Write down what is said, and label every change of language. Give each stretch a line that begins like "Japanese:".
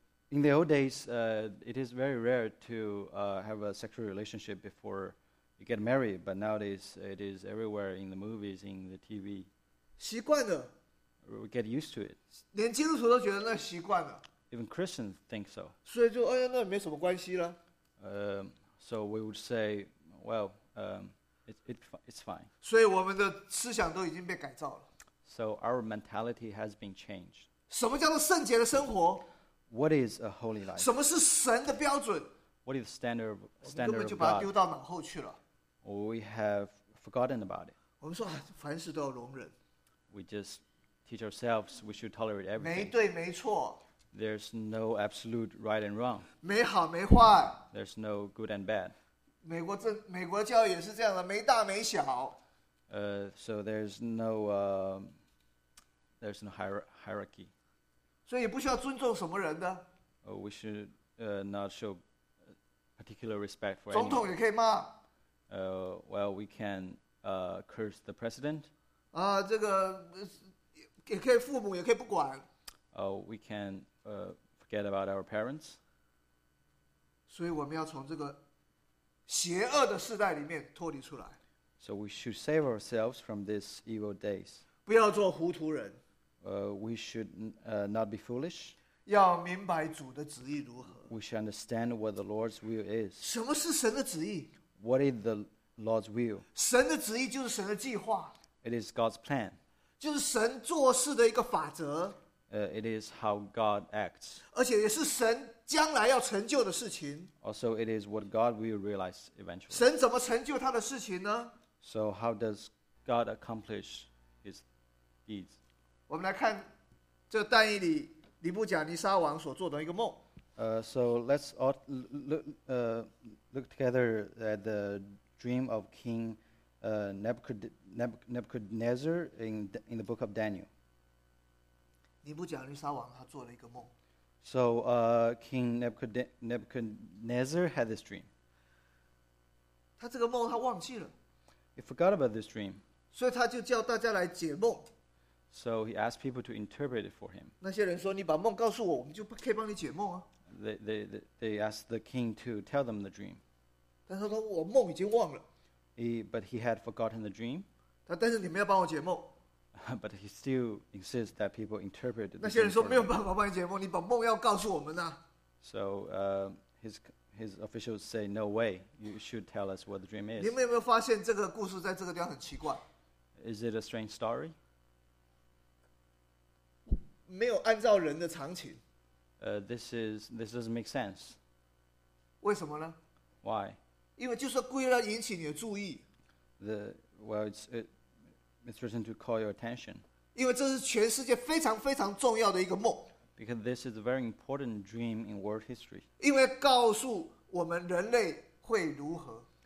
English: In the old days, it is very rare to have a sexual relationship before you get married. But nowadays, it is everywhere in the movies, in the TV.
Chinese: 习惯了。
English: We get used to it.
Chinese: 连基督徒都觉得那习惯了。
English: Even Christians think so.
Chinese: 所以就哎呀，那没什么关系了。
English: So we would say, well, it's fine.
Chinese: 所以我们的思想都已经被改造了。
English: So our mentality has been changed.
Chinese: 什么叫做圣洁的生活？
English: What is a holy life?
Chinese: 什么是神的标准？
English: What is the standard of God?
Chinese: 我们根本就把它丢到脑后去了。
English: We have forgotten about it.
Chinese: 我们说啊，凡事都要容忍。
English: We just teach ourselves we should tolerate everything.
Chinese: 没对没错。
English: There's no absolute right and wrong.
Chinese: 没好没坏。
English: There's no good and bad.
Chinese: 美国教育也是这样的，没大没小。
English: So there's no there's no hierarchy.
Chinese: 所以不需要尊重什么人的。
English: We should not show particular respect for
Chinese: 总统也可以骂。
English: Well, we can curse the president.
Chinese: 啊，这个也可以，父母也可以不管。
English: We can forget about our parents.
Chinese: 所以我们要从这个邪恶的世代里面脱离出来。
English: So we should save ourselves from these evil days.
Chinese: 不要做糊涂人。
English: We should not be foolish.
Chinese: 要明白主的旨意如何。
English: We should understand what the Lord's will is.
Chinese: 什么是神的旨意？
English: What is the Lord's will?
Chinese: 神的旨意就是神的计划。
English: It is God's plan.
Chinese: 就是神做事的一个法则。
English: It is how God acts.
Chinese: 而且也是神将来要成就的事情。
English: Also, it is what God will realize eventually.
Chinese: 神怎么成就他的事情呢？
English: So how does God accomplish his deeds?
Chinese: 我们来看这个但以理尼布甲尼撒王所做的一个梦。
English: So let's all look together at the dream of King Nebuchadnezzar in the book of Daniel.
Chinese: 尼布甲尼撒王他做了一个梦。
English: So King Nebuchadnezzar had this dream.
Chinese: 他这个梦他忘记了。
English: He forgot about this dream.
Chinese: 所以他就叫大家来解梦。
English: So he asked people to interpret it for him.
Chinese: 那些人说你把梦告诉我，我们就可以帮你解梦啊。
English: They asked the king to tell them the dream.
Chinese: 但他说我梦已经忘了。
English: But he had forgotten the dream.
Chinese: 但是你们要帮我解梦。
English: But he still insists that people interpret the dream.
Chinese: 那些人说没有办法帮你解梦，你把梦要告诉我们啊。
English: So his officials say, no way, you should tell us what the dream is.
Chinese: 你们有没有发现这个故事在这个地方很奇怪？
English: Is it a strange story?
Chinese: 没有按照人的常情。
English: This doesn't make sense.
Chinese: 为什么呢？
English: Why?
Chinese: 因为就是故意要引起你的注意。
English: It's written to call your attention.
Chinese: 因为这是全世界非常非常重要的一个梦。
English: Because this is a very important dream in world history.
Chinese: 因为告诉我们人类会如何。